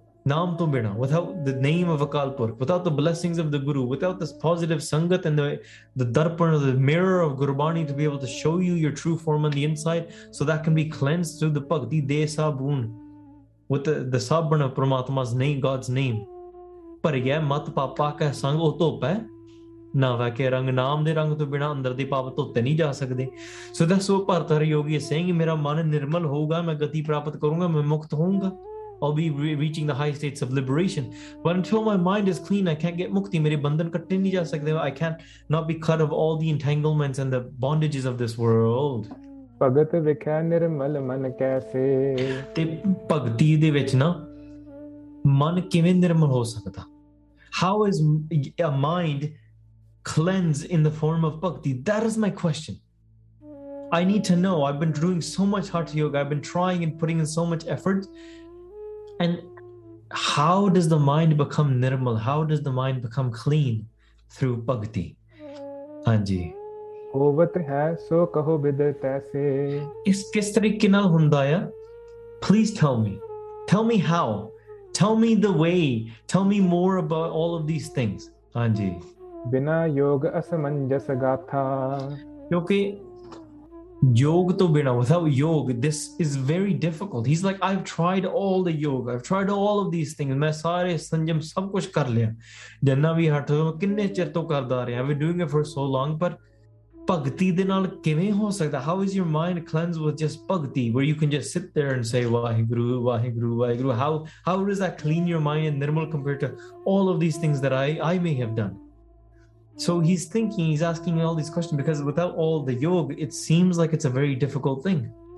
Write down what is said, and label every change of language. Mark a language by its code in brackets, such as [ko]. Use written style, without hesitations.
[pa] naam to bina [en] without the name of akal purakh without the blessings of the guru without this positive sangat and the darpan of the mirror of gurbani to be able to show you your true form on the inside so that can be cleansed through the bhakti desa boon with the sabran of Paramatma's name, God's name. [pa] ਪਰ ਇਹ ਮਤ ਪਾਪਾ ਕਾ ਸੰਗ ਉਹ ਧੁੱਪ ਹੈ ਨਾ ਵਾ ਕੇ ਰੰਗ ਨਾਮ ਦੇ ਰੰਗ ਤੋਂ ਬਿਨਾਂ ਅੰਦਰ ਦੇ ਪਾਪ ਧੋਤੇ ਨਹੀਂ ਜਾ ਸਕਦੇ ਸੋ ਦੱਸੋ ਭਰਤਰ ਯੋਗੀ ਸਿੰਘ ਮੇਰਾ ਮਨ ਨਿਰਮਲ ਹੋਊਗਾ ਮੈਂ ਗਤੀ ਪ੍ਰਾਪਤ ਕਰੂੰਗਾ ਮੈਂ ਮੁਕਤ ਹੋਊਂਗਾ [en] I'll be reaching the high states of liberation. But until my mind is clean, I can't get mukti. [pa] Mere bandhan katte nahi ja sakde. [en] I can't not be cut of all the entanglements and the bondages of this world. [pa] ਭਗਤ ਵਿਖਿਆ ਨਿਰਮਲ ਮਨ ਕੈਸੇ। ਤੇ ਭਗਤੀ ਦੇ ਵਿੱਚ ਨਾ ਮਨ ਕਿਵੇਂ ਨਿਰਮਲ ਹੋ ਸਕਦਾ [en] how is a mind cleanse in the form of bhakti that is my question I need to know I've been doing so much hatha yoga I've been trying and putting in so much effort and how does the mind become nirmal how does the mind become clean through bhakti ਹਾਂਜੀ [pa] ਹੋਵਤ ਹੈ ਸੋ ਕਹੋ ਬਿਦ ਤੈਸੇ। ਇਸ ਕਿਸ ਤਰੀਕੇ ਨਾਲ ਹੁੰਦਾ ਆ [en] please tell me how tell me the way tell me more about all of these things ਹਾਂਜੀ [pa] ਬਿਨਾ ਯੋਗ ਅਸਮੰਜਸ ਗਾਥਾ ਕਿਉਂਕਿ ਯੋਗ ਤੋਂ ਬਿਨਾ [en] without yoga this is very difficult he is like I've tried all the yoga I've tried all of these things [pa] ਮੈਂ ਸਾਰੇ ਸੰਜਮ ਸਭ ਕੁਝ ਕਰ ਲਿਆ ਜਿੰਨਾ ਵੀ ਹੱਠ ਕਿੰਨੇ ਚਿਰ ਤੋਂ ਕਰਦਾ ਰਿਹਾ [en] we doing it for so long [pa] ਪਰ Bhakti de naal kive ho sakda? [en] How is your mind cleansed with just bhakti, where you can just sit there and say, Waheguru, Waheguru, Waheguru? How does that clean your mind and nirmal compared to all of these things that I may have done? So he's thinking, he's asking all these questions because without all the yoga, it seems like it's a very difficult thing.